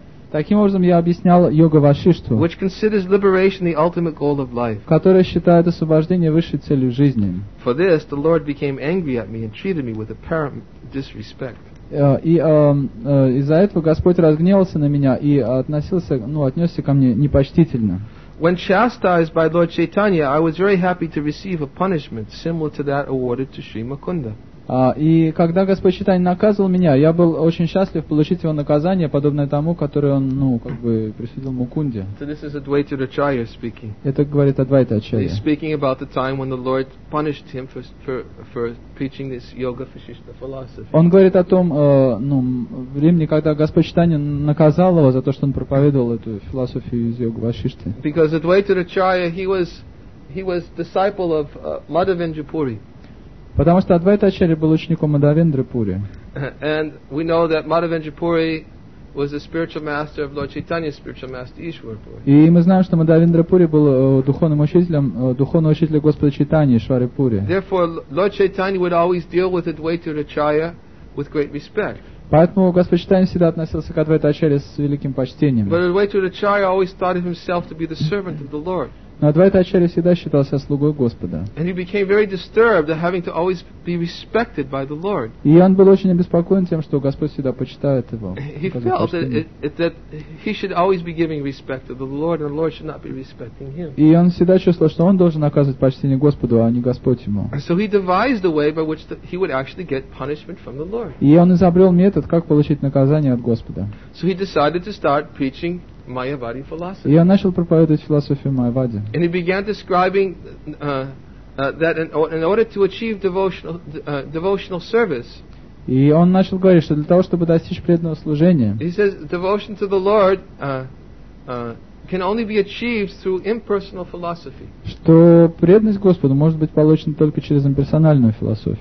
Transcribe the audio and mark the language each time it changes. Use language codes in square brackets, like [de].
[ru] Таким образом, я объяснял йога Вашишту, [en] which considers liberation the ultimate goal of life. [ru] Которая считает освобождение высшей целью жизни. [en] For this, the Lord became angry at me and treated me with apparent disrespect. [ru] Из-за этого Господь разгневался на меня и относился, ну, отнесся ко мне непочтительно. [en] When chastised by Lord Chaitanya, I was very happy to receive a punishment similar to that awarded to Sri Mukunda. [ru] И когда Господь Чайтанья наказывал меня, я был очень счастлив получить его наказание, подобное тому, которое он, ну, как бы, присудил Мукунде. [en] So this is Advaita Acharya speaking. [ru] Это говорит Адвайта Ачарья. [en] He's speaking about the time when the Lord punished him for preaching this yoga Vasishtha philosophy. [ru] Он говорит о том, ну, времени, когда Господь Чайтанья наказал его за то, что он проповедовал эту философию из йоги Вашишты. [en] Because Advaita Acharya, he was disciple of Madhavendra Puri. [ru] Потому что Адвайта Ачарья был учеником Мадхавендры Пури. [en] And we know that Madhavendra Puri was the spiritual master of Lord Chaitanya's spiritual master Ishwara Puri. [ru] И мы знаем, что Мадхавендра Пури был духовным учителем Господа Чайтаньи Ишвары Пури. [en] Therefore, Lord Chaitanya would always deal with Advaita Acharya with great respect. [ru] Поэтому Господь Чайтанья всегда относился к Адвайта Ачарье с великим почтением. [en] But Advaita Acharya always thought of himself to be the servant of the Lord. [ru] Но Адвайта Ачарья всегда считался слугой Господа. [en] And he became very disturbed at having to always be respected by the Lord. [ru] И он был очень обеспокоен тем, что Господь всегда почитает его. [en] He felt that he should always be giving respect to the Lord, and the Lord should not be respecting him. [ru] И он всегда чувствовал, что он должен оказывать почтение Господу, а не Господь ему. [en] And so he devised a way by which he would actually get punishment from the Lord. [ru] И он изобрел метод, как получить наказание от Господа. [en] So he decided to start preaching Mayavadi philosophy. [ru] И он начал проповедовать философию Майявади. [en] And he began describing that in order to achieve devotional service. [ru] И он начал говорить, что для того, чтобы достичь преданного служения. [en] He says devotion to the Lord can only be achieved through impersonal philosophy. [ru] Что преданность Господу может быть получена только через имперсональную философию.